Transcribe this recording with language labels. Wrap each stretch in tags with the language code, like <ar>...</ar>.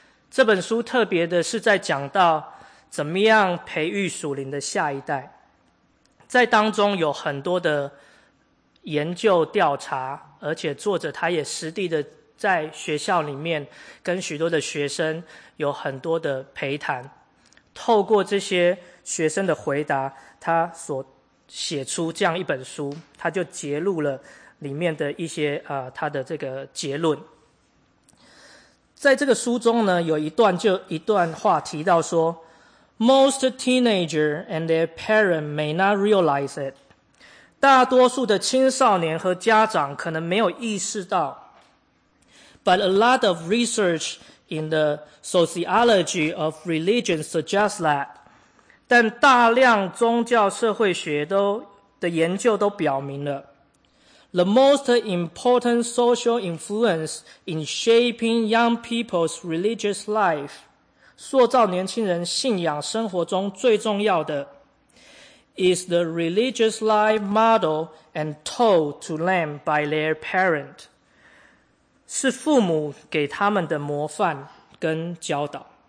<zh>这本书特别的是在讲到怎么样培育属灵的下一代，在当中有很多的研究调查，而且作者他也实地的在学校里面跟许多的学生有很多的陪谈，透过这些学生的回答，他所写出这样一本书，他就揭露了里面的一些他的这个结论。在这个书中呢，有一段话提到说，</zh> <en>Most teenagers and their parents may not realize it.</en> <zh>大多数的青少年和家长可能没有意识到。</zh> <en>But a lot of research in the sociology of religion suggests that.</en> <zh>但大量宗教社会学的研究都表明了。</zh> <en>The most important social influence in shaping young people's religious life.</en> <zh>塑造年轻人信仰生活中最重要的</zh> <en>is the religious life model and told to them by their parent，</en> <zh>是父母给他们的模范跟教导。</zh>